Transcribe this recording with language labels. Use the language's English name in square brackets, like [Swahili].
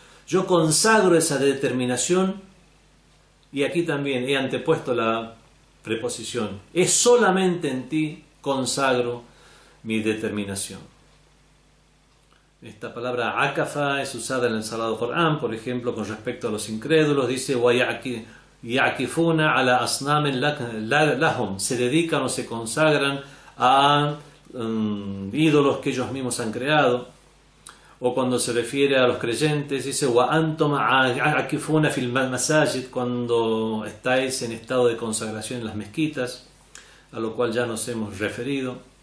[Spanish] Yo consagro esa determinación, y aquí también he antepuesto la preposición. Es solamente en ti consagro mi determinación. Esta palabra akafa es usada en el Sagrado Corán, por ejemplo, con respecto a los incrédulos. Dice, [Arabic] وَيَعْكِفُونَ عَلَى أَصْنَامٍ لَهُمْ. [Spanish] Se dedican o se consagran a ídolos que ellos mismos han creado. O cuando se refiere a los creyentes, dice, [Arabic] وَأَنْتُمْ عَكِفُونَ فِي الْمَسَاجِدِ. [Spanish] Cuando estáis en estado de consagración en las mezquitas, a lo cual ya nos hemos referido.